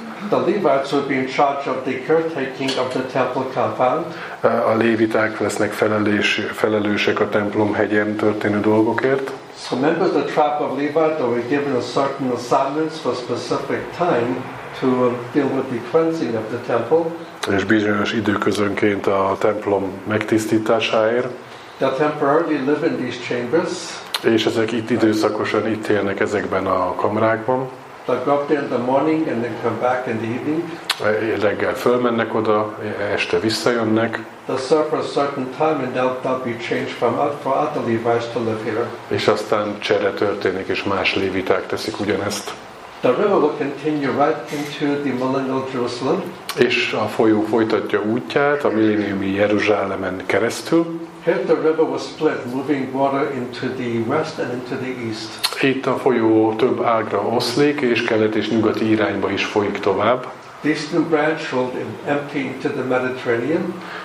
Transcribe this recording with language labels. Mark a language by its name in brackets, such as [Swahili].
[English] The Levites will be in charge of the caretaking of the temple compound. [Hungarian] A Léviták lesznek felelősek a templom hegyen történő dolgokért. [English] So members of the tribe of Levi are given a certain assignments for a specific time to deal with the cleansing of the temple. [Hungarian] És bizonyos időközönként a templom megtisztításáért. [English] They temporarily live in these chambers. [Hungarian] És ezek itt időszakosan itt élnek ezekben a kamrákban. [English] They go up there in the morning and then come back in the evening. [Hungarian] Reggel fölmennek oda, este visszajönnek. [English] They serve for a certain time and they'll be changed for other Levites to live here. [Hungarian] És aztán csere történik, és más léviták teszik ugyanezt. [English] The river will continue right into the millennial Jerusalem. [Hungarian] És a folyó folytatja útját a milléniumi Jeruzsálemen keresztül. [English] Here the river was split, moving water into the west and into the east. [Hungarian] Itt a folyó több ágra oszlik, és kelet és nyugati irányba is folyik tovább. [English] The eastern branch will empty into the Mediterranean.